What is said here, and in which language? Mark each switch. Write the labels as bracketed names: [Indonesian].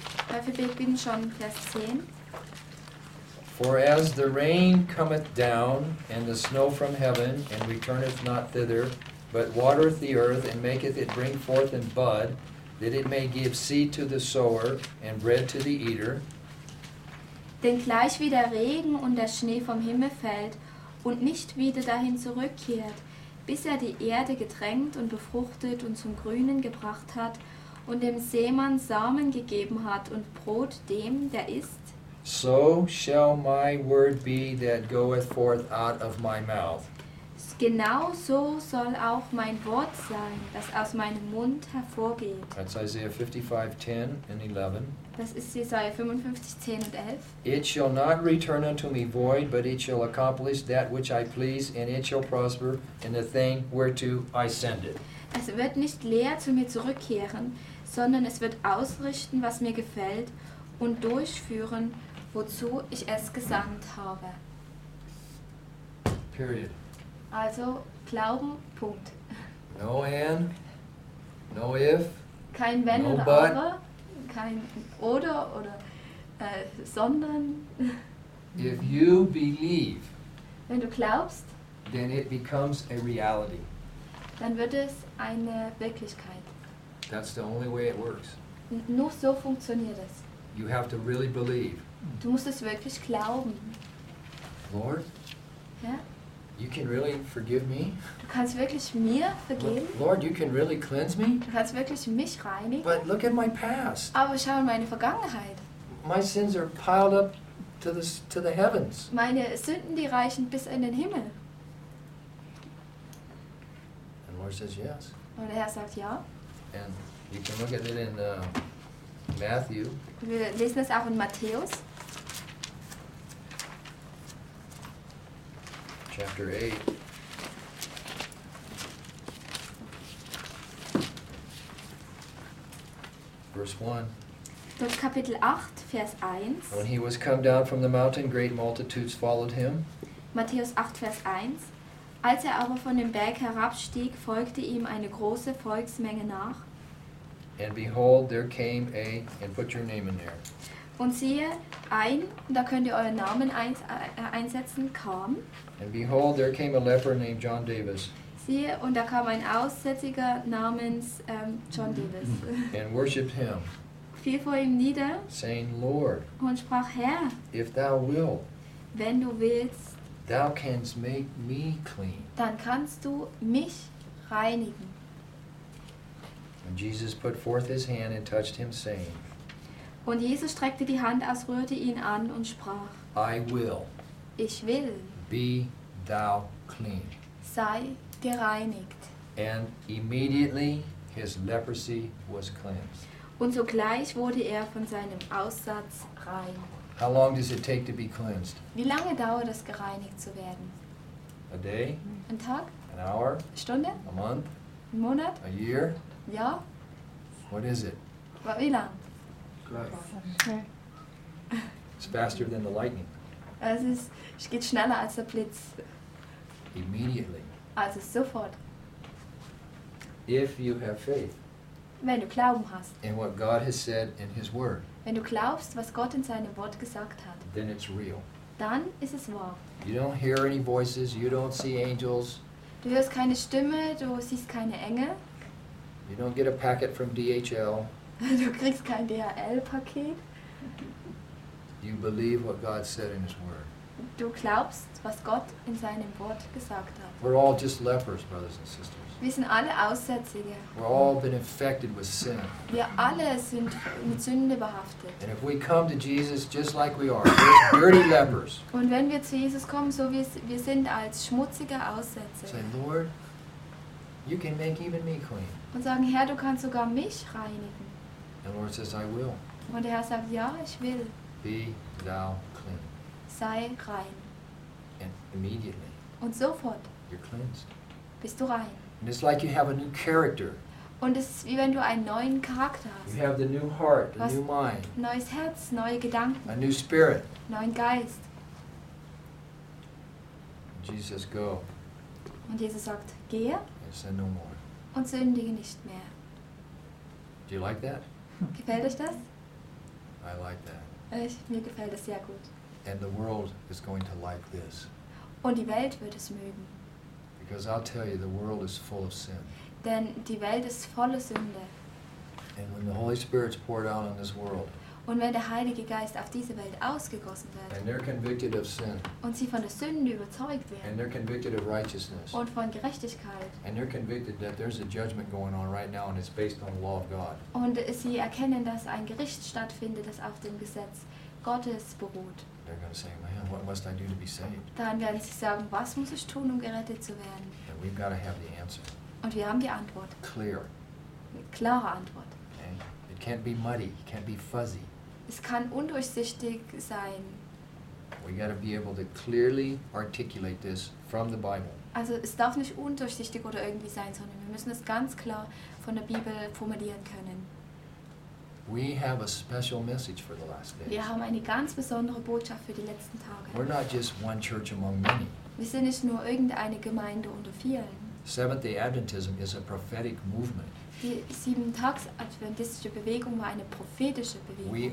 [German] Weil wir beginnen schon Vers 10. [English] For as the rain cometh down, and the snow from heaven, and returneth not thither, but watereth the earth, and maketh it bring forth and bud, that it may give seed to the sower, and bread to the eater. [German] Denn gleich wie der Regen und der Schnee vom Himmel fällt und nicht wieder dahin zurückkehrt, bis er die Erde getränkt und befruchtet und zum Grünen gebracht hat und dem Seemann Samen gegeben hat und Brot dem, der isst. [English] So shall my word be that goeth forth out of my mouth. [German] Genau so soll auch mein Wort sein, das aus meinem Mund hervorgeht. [English] That's Isaiah 55:10 and 11. [German] Das ist Jesaja 55:10 und 11. [English] It shall not return unto me void, but it shall accomplish that which I please, and it shall prosper in the thing whereto I send it. [German] Es wird nicht leer zu mir zurückkehren, sondern es wird ausrichten, was mir gefällt, und durchführen, wozu ich es gesandt habe. [English] Period. [German] Also, Glauben, Punkt. [English] No and, no if, [German] kein wenn [English] no [German] oder [English] but. [German] Aber, kein oder, sondern. [English] If you believe, [German] wenn du glaubst, [English] then it becomes a reality. [German] Dann wird es eine Wirklichkeit. [English] That's the only way it works. [German] Nur so funktioniert es. [English] You have to really believe. [German] Du musst es wirklich glauben. [English] Lord? [German] Ja? [English] You can really forgive me? [German] Du kannst wirklich mir vergeben? [English] Lord, you can really cleanse me? [German] Du kannst wirklich mich reinigen? [English] But look at my past. [German] Aber schau in meine Vergangenheit. [English] My sins are piled up to the heavens. [German] Meine Sünden, die reichen bis in den Himmel. [English] And Lord says yes. [German] Und der Herr sagt ja. [English] And you can look at it in Matthew. [German] Wir lesen es auch in Matthäus. [English] Chapter 8, verse 1. [German] Dort Kapitel 8, Vers 1. [English] When he was come down from the mountain, great multitudes followed him. [German] Matthäus 8, Vers 1. Als er aber von dem Berg herabstieg, folgte ihm eine große Volksmenge nach. [English] And behold, there came a, and put your name in there. [German] Und siehe, ein, da könnt ihr euren Namen einsetzen, kam. [English] And behold, there came a leper named John Davis. [German] Siehe, und da kam ein Aussätziger namens John Davis. [English] And worshipped him. [German] Fiel vor ihm nieder. [English] Saying, Lord. [German] Und sprach, Herr. [English] If thou wilt. [German] Wenn du willst. [English] Thou canst make me clean. [German] Dann kannst du mich reinigen. [English] And Jesus put forth his hand and touched him, saying. [German] Und Jesus streckte die Hand aus, rührte ihn an und sprach. [English] I will. [German] Ich will. [English] Be thou clean. [German] Sei gereinigt. [English] And immediately his leprosy was cleansed. [German] Und sogleich wurde er von seinem Aussatz rein. [English] How long does it take to be cleansed? [German] Wie lange dauert es, gereinigt zu werden? [English] A day? [German] Ein Tag? [English] An hour? [German] Eine Stunde? [English] A month? [German] Ein Monat? [English] A year? [German] Ja. [English] What is it? [German] Wie lang? [English] Right. It's faster than the lightning. [German] Es geht schneller als der Blitz. [English] Immediately. [German] Also sofort. [English] If you have faith. [German] Wenn du Glauben hast. [English] In what God has said in His Word. [German] Wenn du glaubst, was Gott in seinem Wort gesagt hat. [English] Then it's real. [German] Dann ist es wahr. [English] You don't hear any voices. You don't see angels. [German] Du hörst keine Stimme. Du siehst keine Engel. [English] You don't get a packet from DHL. [German] Du kriegst kein DHL-Paket. [English] You believe what God said in His Word. [German] Du glaubst, was Gott in seinem Wort gesagt hat. [English] We're all just lepers, brothers and sisters. [German] Wir sind alle Aussätzige. [English] We're all been infected with sin. [German] Wir alle sind mit Sünde behaftet. [English] And if we come to Jesus just like we are, we're dirty lepers. [German] Und wenn wir zu Jesus kommen, so wie wir sind, als schmutzige Aussätzige. [English] Say, Lord, you can make even me clean. [German] Und sagen, Herr, du kannst sogar mich reinigen. [English] And the Lord says, I will. [German] Und der Herr sagt, ja, ich will. [English] Be thou clean. [German] Sei rein. [English] And immediately. [German] Und sofort. [English] You're cleansed. [German] Bist du rein. [English] And it's like you have a new character. [German] Und es ist wie wenn du einen neuen Charakter hast. [English] You have the new heart, a new mind. [German] Neues Herz, neue Gedanken. [English] A new spirit. [German] Neuen Geist. [English] Jesus, go. [German] Und Jesus sagt, gehe. [English] And sin no more. [German] Und sündige nicht mehr. [English] Do you like that? [German] Gefällt euch das? [English] I like that. [German] Mir gefällt das sehr gut. [English] And the world is going to like this. [German] Und die Welt wird es mögen. [English] Because I'll tell you, the world is full of sin. [German] Denn die Welt ist voller Sünde. [English] And when the Holy Spirit's poured out on this world. [German] Und wenn der Heilige Geist auf diese Welt ausgegossen wird [English] and they're convicted of sin, [German] und sie von der Sünde überzeugt werden [English] and they're convicted of righteousness, [German] und von Gerechtigkeit [English] and they're convicted that there's a judgment going on right now and it's based on the law of God, [German] und sie erkennen, dass ein Gericht stattfindet, das auf dem Gesetz Gottes beruht, [English] they're going to say, man, what must I do to be saved? [German] Dann werden sie sagen, was muss ich tun, um gerettet zu werden? [English] And we've got to have the answer. [German] Und wir haben die Antwort. [English] Clear. [German] Klare Antwort. [English] Okay. It can't be muddy. It can't be fuzzy. [German] Es kann undurchsichtig sein. [English] We got to be able to clearly articulate this from the Bible. [German] Also es darf nicht undurchsichtig oder irgendwie sein, sondern wir müssen es ganz klar von der Bibel formulieren können. [English] We have a special message for the last days. [German] Wir haben eine ganz besondere Botschaft für die letzten Tage. [English] We're not just one church among many. [German] Wir sind nicht nur irgendeine Gemeinde unter vielen. [English] Seventh-day Adventism is a prophetic movement. [German] Die Siebentags-Adventistische Bewegung war eine prophetische Bewegung.